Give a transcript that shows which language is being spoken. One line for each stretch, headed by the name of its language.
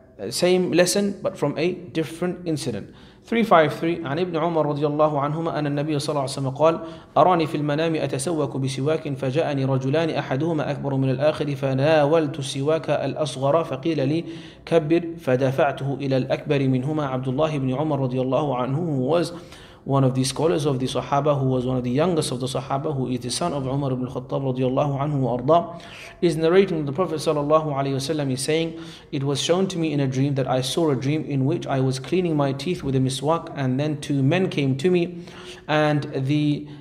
English: Same lesson but from a different incident.
Arabic: 353 عن ابن عمر رضي الله عنهما أن النبي صلى الله عليه وسلم قال أراني في المنام أتسوك بسواك فجاءني رجلان أحدهما أكبر من الآخر فناولت السواك الأصغر فقيل لي كبر فدفعته إلى الأكبر منهما. عبد الله بن عمر رضي الله عنه,
English: who was one of the scholars of the Sahaba, who was one of the youngest of the Sahaba, who is the son of Umar ibn al-Khattab
Arabic: رضي الله عنه وأرضاه,
English: is narrating the Prophet
Arabic: صلى الله عليه وسلم,
English: is saying, it was shown to me in a dream that I saw a dream in which I was cleaning my teeth with a miswak, and then two men came to me, and the